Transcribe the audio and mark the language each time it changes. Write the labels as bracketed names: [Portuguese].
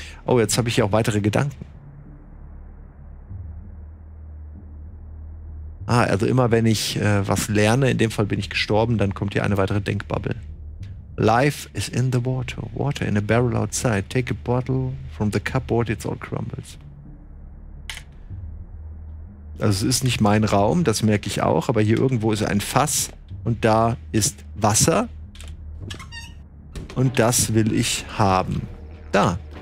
[German] Oh, jetzt habe ich hier auch weitere Gedanken. Ah, also immer wenn ich was lerne, in dem Fall bin ich gestorben, dann kommt hier eine weitere Denkbubble. [English] Life is in the water. Water in a barrel outside. Take a bottle from the cupboard, it's all crumbles. [German] Also es ist nicht mein Raum, das merke ich auch, aber hier irgendwo ist ein Fass und da ist Wasser. Und das will ich haben. Da.